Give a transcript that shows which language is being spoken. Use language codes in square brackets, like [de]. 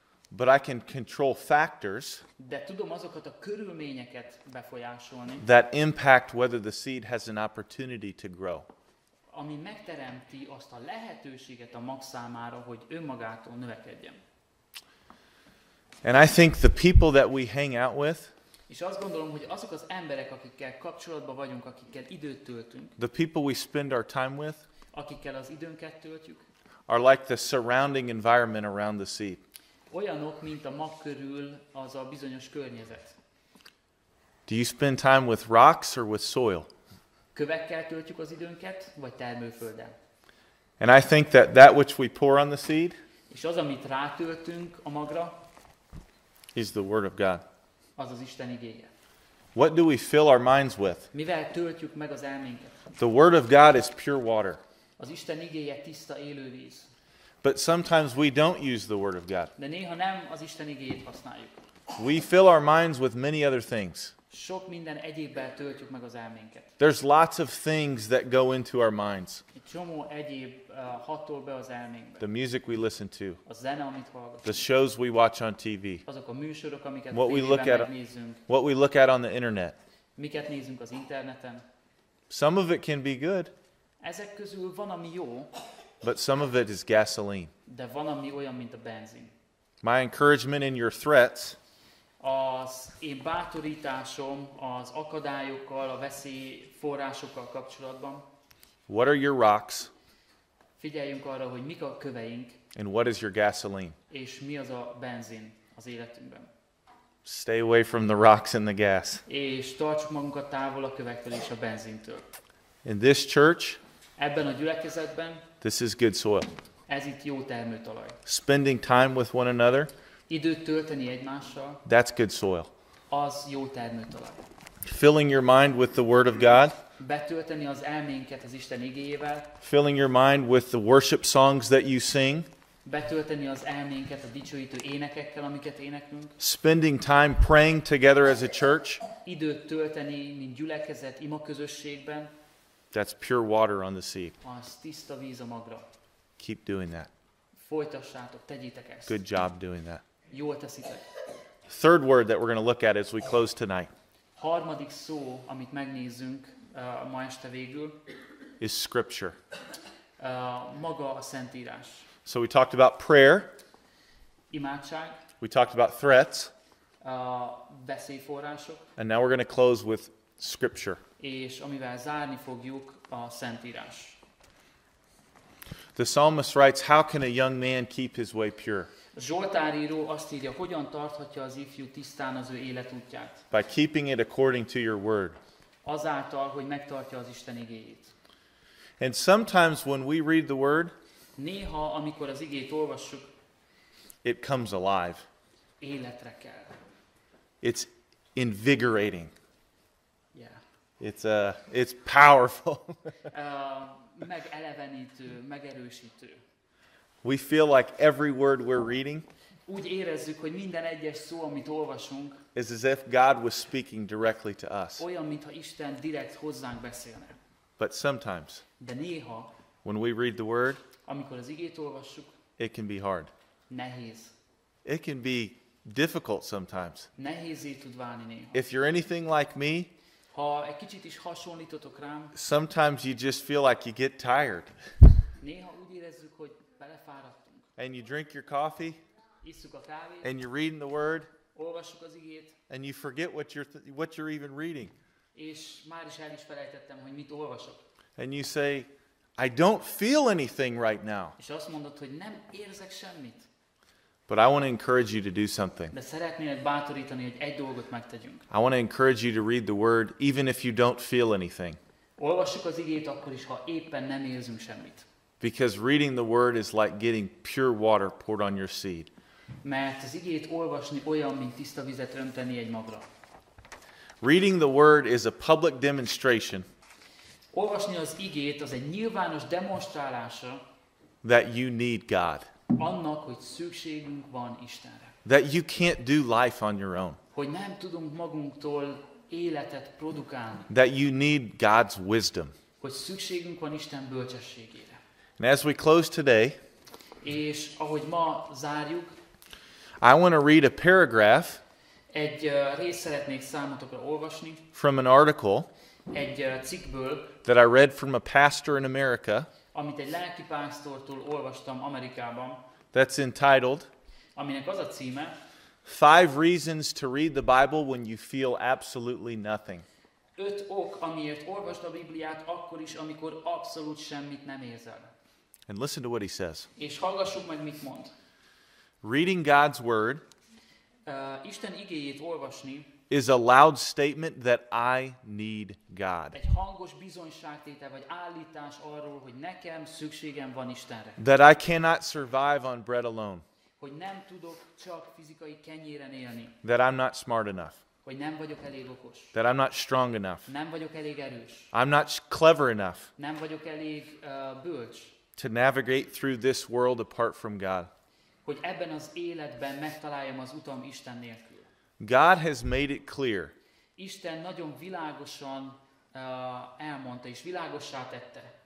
[en] But I can control factors. [hu] De tudom azokat a körülményeket befolyásolni. [en] That impact whether the seed has an opportunity to grow. [hu] Ami megteremti azt a lehetőséget a mag számára, hogy önmagától növekedjen. [en] And I think the people that we hang out with. [hu] És azt gondolom, hogy azok az emberek, akikkel kapcsolatban vagyunk, akikkel időt töltünk. [en] The people we spend our time with. [hu] Akikkel az időnket töltjük. [en] Are like the surrounding environment around the seed. [hu] olyanok, mint a mag körül az a bizonyos környezet. [en] Do you spend time with rocks or with soil? [hu] Kövekkel töltjük az időnket, vagy termőfölddel? [en] And I think that that which we pour on the seed, [hu] és az, amit rátöltünk a magra, [en] is the word of God. [hu] Az az Isten igéje. [en] What do we fill our minds with? [hu] Mivel töltjük meg az elménket? [en] The word of God is pure water. [hu] Az Isten igéje tiszta élő víz. [en] But sometimes we don't use the word of God. [hu] De néha nem az Isten igéjét használjuk. [en] We fill our minds with many other things. [hu] Sok minden egyébbel töltjük meg az elménket. [en] There's lots of things that go into our minds. [hu] Csomó egyéb hatol be az elménkbe. [en] The music we listen to. [hu] A zene, amit hallgatunk. [en] The shows we watch on TV. [hu] Azok a műsorok, amiket a tévében megnézünk. [en] What we look at on the internet. [hu] Miket nézünk az interneten. [en] Some of it can be good. [hu] Ezek közül van, ami jó. [en] But some of it is gasoline. [hu] De van, ami olyan, mint a benzin. [en] My encouragement in your threats. [hu] Az én bátorításom az akadályokkal, a veszélyforrásokkal kapcsolatban. [en] What are your rocks? [hu] Figyeljünk arra, hogy mik a köveink. [en] And what is your gasoline? [hu] És mi az a benzin az életünkben. [en] Stay away from the rocks and the gas. [hu] És tartsuk magunkat távol a kövektől és a benzintől. [en] In this church, [hu] ebben a gyülekezetben, [en] this is good soil. [hu] Ez itt jó termőtalaj. [en] Spending time with one another, [hu] időt tölteni egymással, [en] that's good soil. [hu] Az jó termőtalaj. [en] Filling your mind with the word of God, [hu] betölteni az elménket az Isten igéjével, [en] filling your mind with the worship songs that you sing, [hu] betölteni az elménket a dicsőítő énekekkel, amiket énekünk, [en] spending time praying together as a church, [hu] időt tölteni, mint gyülekezet, ima közösségben, [en] that's pure water on the sea. [hu] Az tiszta víz a magra. [en] Keep doing that. [hu] Folytassátok, tegyétek ezt. [en] Good job doing that. [hu] Jól teszitek. [en] Third word that we're going to look at as we close tonight. [hu] Harmadik szó, amit megnézzünk ma este végül, [en] is scripture. [hu] Maga a Szentírás. [en] So we talked about prayer. [hu] Imádság. [en] We talked about threats. [hu] Veszélyforrások. [en] And now we're going to close with scripture. [hu] És amivel zárni fogjuk, a Szentírás. [en] The psalmist writes, how can a young man keep his way pure? [hu] Zsoltár író azt írja, hogyan tarthatja az ifjú tisztán az ő életútját? [en] By keeping it according to your word. [hu] Azáltal, hogy megtartja az Isten igéjét. [en] And sometimes when we read the word, [hu] néha, amikor az igét olvassuk, [en] it comes alive. [hu] Életre kell. [en] It's invigorating. Yeah. It's powerful. [hu] Megelevenítő, megerősítő. [en] We feel like every word we're reading, [hu] úgy érezzük, hogy minden egyes szó, amit olvasunk, [en] is as if God was speaking directly to us. [hu] Olyan, mintha Isten direkt hozzánk beszélne. [en] But sometimes, [hu] de néha, [en] when we read the word, [hu] amikor az igét olvassuk, [en] it can be hard. [hu] Nehéz. [en] It can be difficult sometimes. [hu] Nehézé tud válni néha. [en] If you're anything like me, [hu] ha egy kicsit is hasonlítotok rám, [en] sometimes you just feel like you get tired. [hu] Néha úgy érezzük, hogy belefáradtunk. [en] And you drink your coffee. [hu] Isszuk a kávét. [en] And you're reading the word. [hu] Olvassuk az igét. [en] And you forget what you're even reading. [hu] És már is el is felejtettem, hogy mit olvasok. [en] And you say, I don't feel anything right now. [hu] És azt mondod, hogy nem érzek semmit. [en] But I want to encourage you to do something. [hu] De szeretnélek bátorítani, hogy egy dolgot megtegyünk. [en] I want to encourage you to read the word even if you don't feel anything. [hu] Olvassuk az igét akkor is, ha éppen nem érzünk semmit. [en] Because reading the word is like getting pure water poured on your seed. [hu] Mert az igét olvasni olyan, mint tiszta vizet önteni egy magra. [en] Reading the word is a public demonstration. [hu] Olvasni az igét az egy nyilvános demonstrálása. [en] That you need God. [hu] Annak, hogy szükségünk van Istenre. [en] That you can't do life on your own. [hu] Hogy nem tudunk magunktól életet produkálni. [en] That you need God's wisdom. [hu] Hogy szükségünk van Isten bölcsességére. [en] And as we close today, [hu] és ahogy ma zárjuk, [en] I want to read a paragraph. [hu] Egy részt szeretnék számotokra olvasni. [en] From an article. [hu] Egy cikkből. [en] That I read from a pastor in America. [hu] Amit egy lelki pásztortól olvastam Amerikában. [en] That's entitled, [hu] aminek az a címe, [en] 5 reasons to read the Bible when you feel absolutely nothing. [hu] 5 ok, amiért olvasd a Bibliát akkor is, amikor abszolút semmit nem érzel. [en] And listen to what he says. [hu] És hallgassuk meg, mit mond. [en] Reading God's word [hu] Isten igéjét olvasni [en] is a loud statement that I need God. [hu] Egy hangos bizonyságtétel vagy állítás arról, hogy nekem szükségem van Istenre. [en] That I cannot survive on bread alone. [hu] Hogy nem tudok csak fizikai kenyéren élni. [en] That I'm not smart enough. [hu] Hogy nem vagyok elég okos. [en] That I'm not strong enough. [hu] Nem vagyok elég erős. [en] I'm not clever enough. [hu] Nem vagyok elég bölcs. [en] To navigate through this world apart from God. [hu] Hogy ebben az életben megtaláljam az utam Isten nélkül. [en] God has made it clear. [hu] Isten nagyon világosan elmondta és világossá tette.